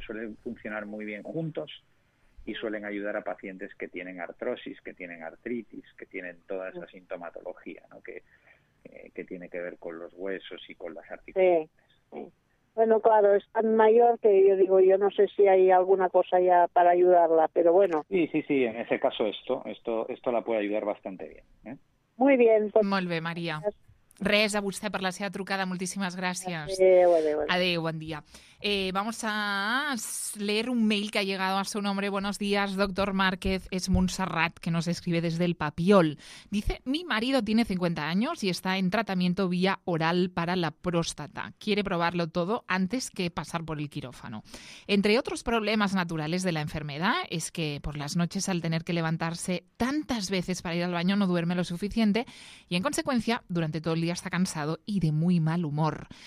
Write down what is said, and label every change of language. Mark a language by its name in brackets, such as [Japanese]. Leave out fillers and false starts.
[Spanish] Suelen funcionar muy bien juntos y suelen ayudar a pacientes que tienen artrosis, que tienen artritis, que tienen toda esa sintomatología, ¿no? Que tiene que ver con los huesos y con las articulaciones. Sí, sí. Bueno, claro, es tan mayor que yo digo, yo no sé si hay alguna cosa ya para ayudarla, pero bueno. Sí, sí, sí, en ese caso esto la puede ayudar bastante bien. Muy bien. [Catalan] Pues... Molt bé, Maria. Res, a vostè per la seva trucada, moltíssimes gràcies. Adéu, bon dia. [Spanish] Vamos a leer un mail que ha llegado a su nombre. Buenos días, doctor Márquez. Es Montserrat, que nos escribe desde el Papiol. Dice, mi marido tiene 50 años y está en tratamiento vía oral para la próstata. Quiere probarlo todo antes que pasar por el quirófano. Entre otros problemas naturales de la enfermedad es que por las noches, al tener que levantarse tantas veces para ir al baño, no duerme lo suficiente y, en consecuencia, durante todo el día está cansado y de muy mal humor.